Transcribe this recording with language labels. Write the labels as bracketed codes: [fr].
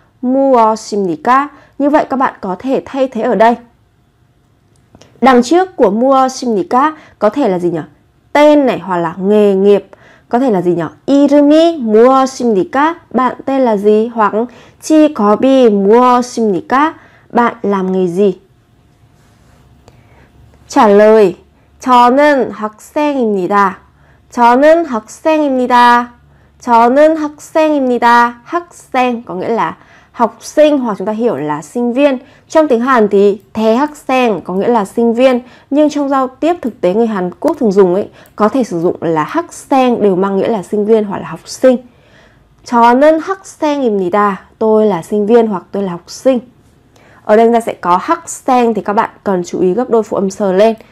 [ko] 무엇입니까? [vi] Như vậy các bạn có thể thay thế ở đây. Đằng trước của 무엇입니까 có thể là gì nhỉ? Tên này hoặc là nghề nghiệp. Có thể là gì nhỉ? [ko] 이름이 무엇입니까? [vi] Bạn tên là gì? [ko] Hoặc 직업이 무엇입니까? [vi] Bạn làm nghề gì? Trả lời. [ko] 저는 학생입니다. 저는 학생입니다. 저는 학생입니다. 학생 [vi] có nghĩa là học sinh hoặc chúng ta hiểu là sinh viên. Trong tiếng Hàn thì 대학생 có nghĩa là sinh viên, nhưng trong giao tiếp thực tế người Hàn Quốc thường dùng ấy có thể sử dụng là 학생 đều mang nghĩa là sinh viên hoặc là học sinh. [ko] 저는 학생입니다. [vi] Tôi là sinh viên hoặc tôi là học sinh. Ở đây ta sẽ có 학생 thì các bạn cần chú ý gấp đôi phụ âm sờ lên.